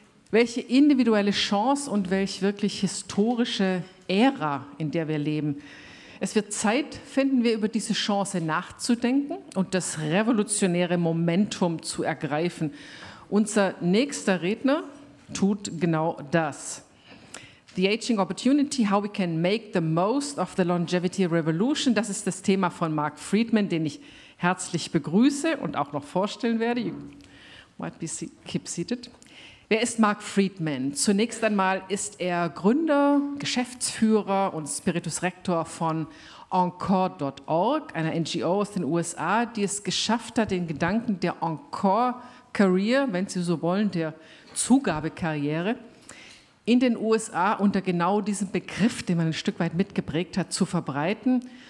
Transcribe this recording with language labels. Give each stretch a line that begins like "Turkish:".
German: Welche individuelle Chance und welch wirklich historische Ära, in der wir leben. Es wird Zeit, finden wir, über diese Chance nachzudenken und das revolutionäre Momentum zu ergreifen. Unser nächster Redner tut genau das.
English: The Aging Opportunity, How We Can Make the Most of the Longevity Revolution.
German: Das ist das Thema von Marc Freedman, den ich herzlich begrüße und auch noch vorstellen werde.
English: You might be keep seated.
German: Wer ist Marc Freedman? Zunächst einmal ist er Gründer, Geschäftsführer und Spiritus Rector von Encore.org, einer NGO aus den USA, die es geschafft hat, den Gedanken der Encore-Career, wenn Sie so wollen, der Zugabekarriere, in den USA unter genau diesem Begriff, den man ein Stück weit mitgeprägt hat, zu verbreiten.